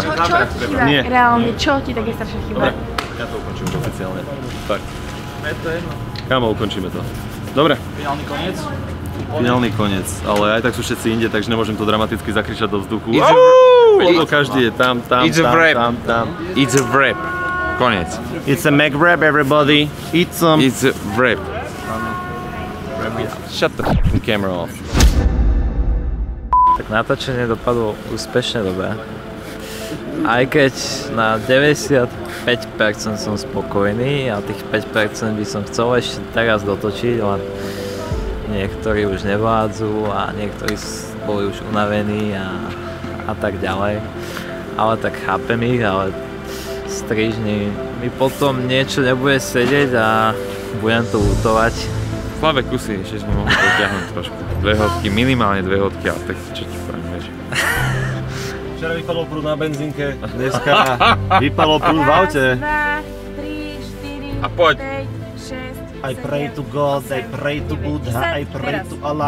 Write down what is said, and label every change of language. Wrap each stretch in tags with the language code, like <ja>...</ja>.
<sk>Čo ti chýba? Reálne, čo ti také strašne chýba? Dobre, ja to ukončím oficiálne. Tak. Je to jedno. Kámo, ukončíme to. Dobre. Finálny koniec? Finálny koniec, ale aj tak sú všetci inde, takže nemôžem to dramaticky zakričať do vzduchu. Lebo každý je tam.</sk> <en>It's a wrap. Koniec. It's a Mac wrap, everybody. Eat some. It's a wrap. Shut the f***ing camera off.</en> <sk>Tak natáčenie dopadlo úspešne dobre. Aj keď na 95% som spokojný a tých 5% by som chcel ešte teraz dotočiť, ale niektorí už nevládzu a niektorí boli už unavení a tak ďalej. Ale tak chápem ich, ale strižni. Mi potom niečo nebude sedieť a budem to lutovať. Slabé kusy, ešte sme mohli potiahnuť trošku. Dve hodky, minimálne dve hodky, ale tak čo ti poviem, vieš. Včera vypadol prúd na benzínke, dneska vypadol prúd v aute.</sk> <en>2, 3, 4, 5, 6, 7, I pray to God, 8, I pray to Buddha, 10, I pray to Allah.</en>